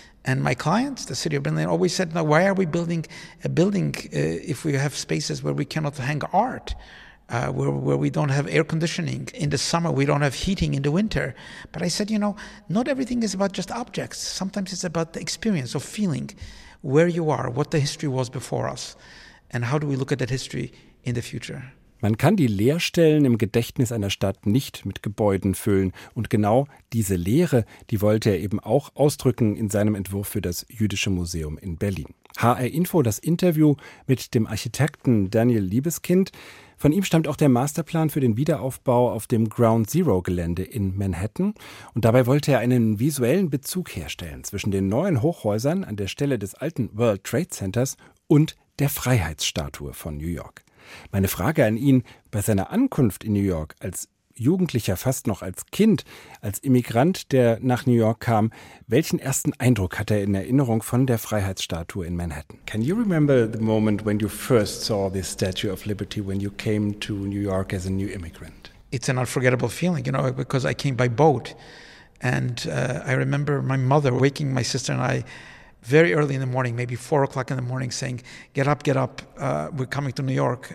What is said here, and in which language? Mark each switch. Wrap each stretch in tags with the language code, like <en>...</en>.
<en>And my clients, the city of Berlin, always said, now, why are we building a building if we have spaces where we cannot hang art? Where we don't have air conditioning in the summer, we don't have heating in the winter. But I said, you know, not everything is about just objects. Sometimes it's about the experience of feeling where you are, what the history was before us, and how do we look at that history in the future.</en> <de>Man kann die Leerstellen im Gedächtnis einer Stadt nicht mit Gebäuden füllen. Und genau diese Leere, die wollte er eben auch ausdrücken in seinem Entwurf für das Jüdische Museum in Berlin. HR Info, das Interview mit dem Architekten Daniel Liebeskind. Von ihm stammt auch der Masterplan für den Wiederaufbau auf dem Ground Zero-Gelände in Manhattan. Und dabei wollte er einen visuellen Bezug herstellen zwischen den neuen Hochhäusern an der Stelle des alten World Trade Centers und der Freiheitsstatue von New York. Meine Frage an ihn bei seiner Ankunft in New York als Jugendlicher, fast noch als Kind, als Immigrant, der nach New York kam, welchen ersten Eindruck hat er in Erinnerung von der Freiheitsstatue in Manhattan?</de> <en>Can you remember the moment when you first saw this Statue of Liberty when you came to New York as a new immigrant? It's an unforgettable feeling, you know, because I came by boat. And I remember my mother waking my sister and I very early in the morning, maybe 4 o'clock in the morning, saying, get up, get up, we're coming to New York.</en>